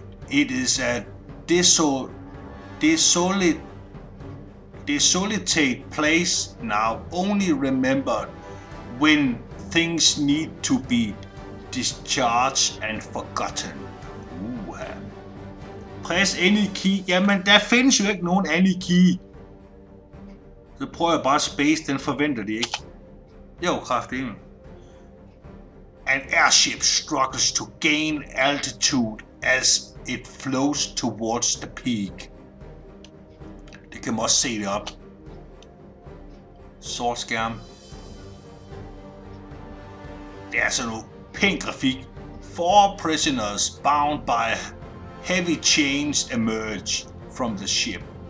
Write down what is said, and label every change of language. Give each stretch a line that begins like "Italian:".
English: It is a desolate place now only remembered when things need to be discharged and forgotten. Press any key.
Danish: Jamen, der findes jo ikke nogen
English: any key.
Danish: Så prøver jeg bare space, den forventer de ikke. Jo, kraftigt.
English: An airship struggles to gain altitude as it flows towards the peak.
Danish: Det kan man også se det op. Sort skærm. Det er sådan noget pænt grafik.
English: Four prisoners bound by heavy chains emerge from the ship.